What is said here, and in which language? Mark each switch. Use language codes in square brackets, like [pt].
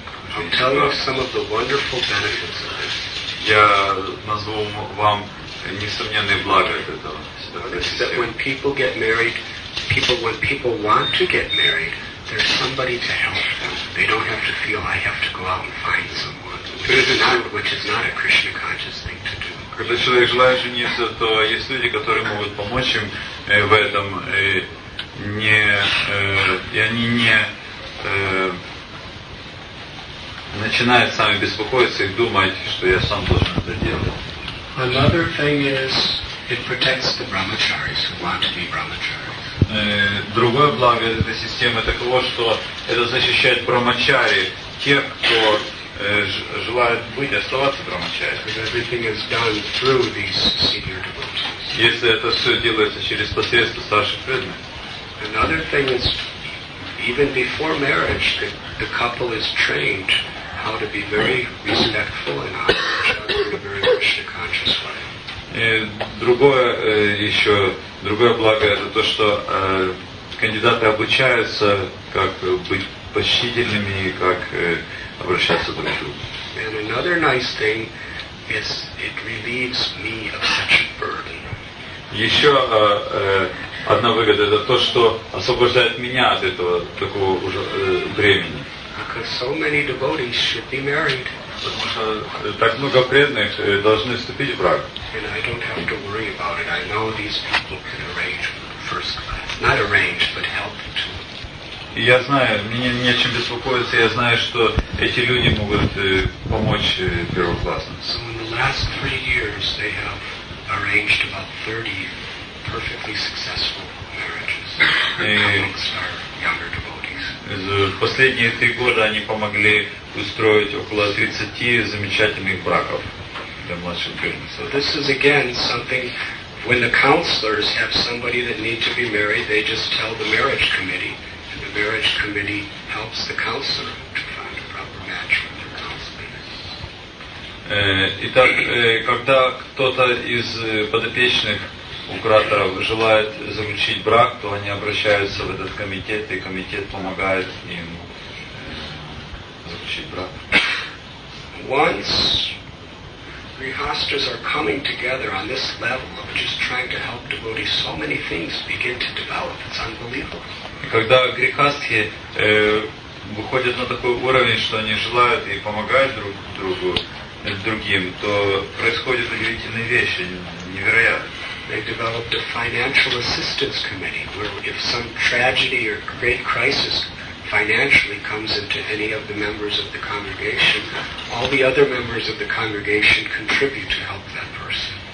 [en] I'll tell you some of the wonderful benefits of this. [ru] Я назову вам несомненные блага от этого. [en] That when people get married, when people want to get married, there's somebody to help them. They don't have to feel I have to go out and find someone, which is not a Krishna conscious thing to do. [ru] Когда человек желает жениться, то есть люди, которые могут помочь им в этом, и они не начинают сами беспокоиться и думать, что я сам должен это делать. [en] Another thing is, it protects the brahmacharis who want to be brahmacharis. [ru] Другое благо этой системы таково, что это защищает брахмачари, тех, кто желает быть, оставаться брахмачари. [en] Because everything is done through these senior devotees. [ru] Если это все делается через посредство старших преданных. [en] Another thing is, even before marriage, the couple is trained how to be very respectful and honor each other in a very Krishna conscious way. [ru] Другое благо это то, что кандидаты обучаются, как быть почтительными и как обращаться друг к другу. [en] And another nice thing is it relieves me of such a burden. [ru] Еще одна выгода это то, что освобождает меня от этого такого уже бремени. [en] Because so many devotees should be married. [ru] Потому что так много преданных должны вступить в брак. [en] And I don't have to worry about it. I know these people can arrange first class. Not arrange, but help to. [ru] Я знаю, мне не о чем беспокоиться, я знаю, что эти люди могут помочь первоклассным. [en] So in the last 3 years they have arranged about 30 perfectly successful marriages. [ru] В последние 3 года они помогли устроить около 30 замечательных браков для младших беженцев. [en] This is again something, when the counselors have somebody that needs to be married, they just tell the marriage committee, and the marriage committee helps the counselor to find a proper match for their counseling. [ru] Итак, когда кто-то из подопечных у кураторов желают заключить брак, то они обращаются в этот комитет, и комитет помогает им заключить брак. [en] Once grihasthas are coming together on this level of just trying to help devotees, so many things begin to develop. It's unbelievable. [ru] И когда грихастхи выходят на такой уровень, что они желают и помогают друг другу, другим, то происходят удивительные вещи, невероятные. [en] They developed a financial assistance committee where if some tragedy or great crisis financially comes into any of the members of the congregation, all the other members of the congregation contribute to help that person.